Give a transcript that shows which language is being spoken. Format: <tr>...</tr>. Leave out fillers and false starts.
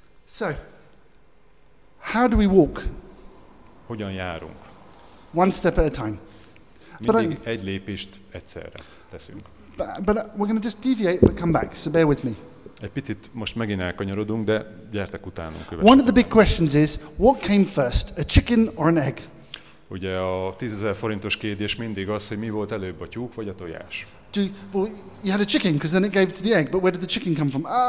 <en>So, how do we walk?</en> <hu>Hogyan járunk?</hu> <en>One step at a time.</en> <hu>Mindig egy lépést egyszerre teszünk.</hu> <en>But we're going to just deviate but come back, so bear with me.</en> <hu>Egy picit most megint elkanyarodunk, de gyertek utánunk.</hu> <en>One of the big questions is, what came first, a chicken or an egg?</en> <hu>Ugye a 10.000 forintos kérdés mindig az, hogy mi volt előbb, a tyúk vagy a tojás?</hu> <en>You had a chicken, because then it gave to the egg, but where did the chicken come from?</en>